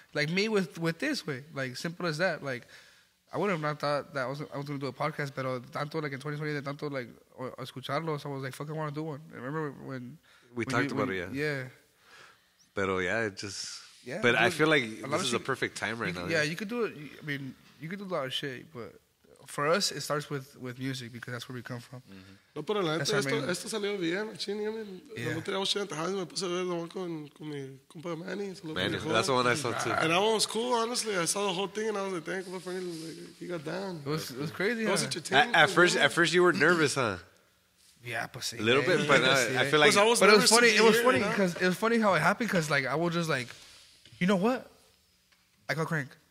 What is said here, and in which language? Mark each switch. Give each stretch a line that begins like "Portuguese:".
English: Like me with this way. Like, simple as that. Like, I would have not thought that I was going to do a podcast, but tanto, like, in 2020, de tanto, like, escucharlos, I was like, fuck, I want to do one. I remember when... We talked about it. Pero, yeah, it just... Yeah, but dude, I feel like this is the perfect time right now. Yeah, you could do it. I mean, you could do a lot of shit, but... For us, it starts with music because that's where we come from.
Spanish: No, pero la gente, esto salió bien, machín. Yo me tiré a 80 años, me puse a ver con mi compa Manny.
English: Manny, that's the one I saw too. And that one was cool, honestly. I saw the whole thing and I was like, damn, compa Fernie, like, he got down. It was crazy, huh? It was entertaining. At first, you were nervous, huh?
Spanish: Yeah, pues sí.
English: A little bit, but I feel like... But it was funny how it happened because, like, I was just like, you know what? I got crank.